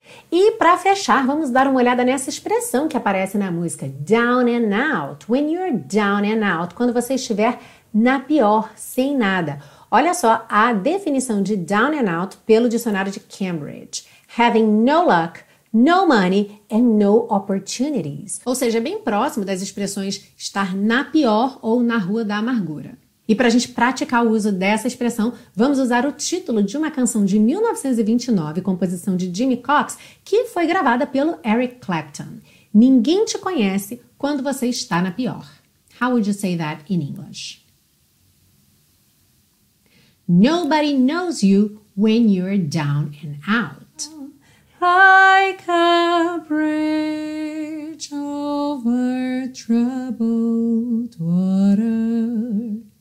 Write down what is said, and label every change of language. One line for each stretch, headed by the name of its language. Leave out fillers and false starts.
Portuguese: E para fechar, vamos dar uma olhada nessa expressão que aparece na música, down and out.
English: When you're down and out,
Portuguese: quando você estiver na pior, sem nada. Olha só a definição de down and out pelo dicionário de Cambridge.
English: Having no luck, no money and no opportunities.
Portuguese: Ou seja, é bem próximo das expressões estar na pior ou na rua da amargura. E para a gente praticar o uso dessa expressão, vamos usar o título de uma canção de 1929, composição de Jimmy Cox, que foi gravada pelo Eric Clapton. Ninguém te conhece quando você está na pior.
English: How would you say that in English? Nobody knows you when you're down and out. Like a bridge over troubled water.